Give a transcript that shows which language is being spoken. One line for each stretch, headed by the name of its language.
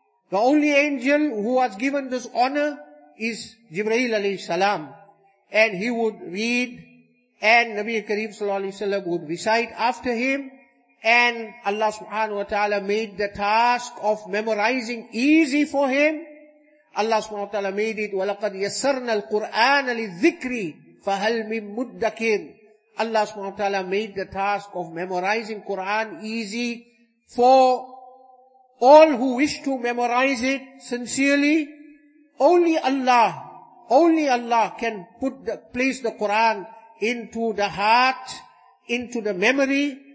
English: The only angel who was given this honor is Jibreel alayhi salam. And he would read, and Nabi Kareem sallallahu alayhi wa sallam would recite after him, and Allah subhanahu wa ta'ala made the task of memorizing easy for him. Allah subhanahu wa ta'ala made it,
Arabic: وَلَقَدْ يَسَّرْنَا الْقُرْآنَ لِلذِّكْرِ فَهَلْ مِن مُدَّكِرٍ.
English: Allah subhanahu wa ta'ala made the task of memorizing Quran easy for all who wish to memorize it sincerely. Only Allah can place the Quran into the heart, into the memory.